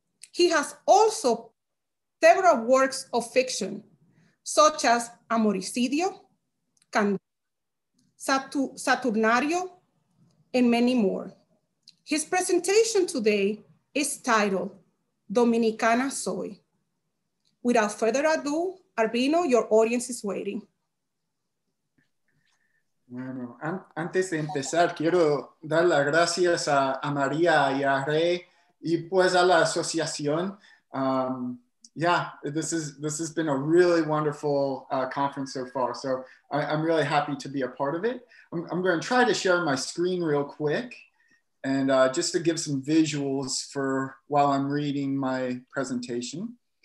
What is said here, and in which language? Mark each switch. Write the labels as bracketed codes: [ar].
[en] He has also several works of fiction, such as Amoricidio, Saturnario, and many more. His presentation today is titled Dominicana Soy. Without further ado, Arbino, your audience is waiting. [es] Bueno, antes de empezar, quiero dar las gracias a María y a Rey y pues a la asociación. [en] This has been a really wonderful conference so far. So I'm really happy to be a part of it. I'm going to try to share my screen real quick and just to give some visuals for while I'm reading my presentation.